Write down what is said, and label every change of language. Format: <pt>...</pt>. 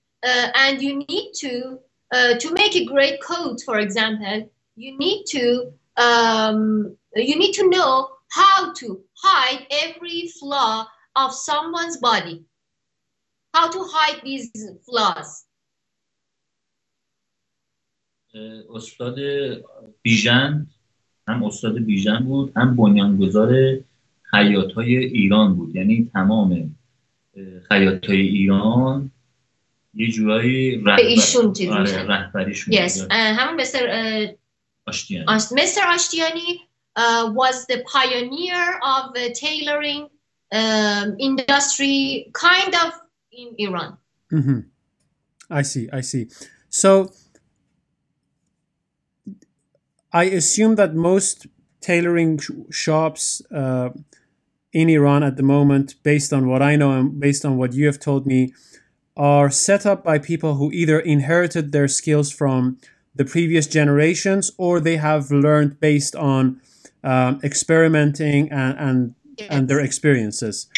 <en>And you need to make a great coat, for example, you need to know how to hide every flaw of someone's body, how to hide these flaws.</en> <fa>استاد بیژن هم استاد بیژن بود هم بنیانگذار خیاط‌های ایران بود یعنی تمام خیاط‌های ایران یه جورایی رهبریشون</fa> <en>yes</en> <fa>همون مستر آشتیانی</fa> <en>Mister Ashtiani was the pioneer of the tailoring industry kind of in Iran. I see so I assume that most tailoring shops in Iran at the moment, based on what I know and based on what you have told me, are set up by people who either inherited their skills from the previous generations or they have learned based on experimenting and their experiences.</en>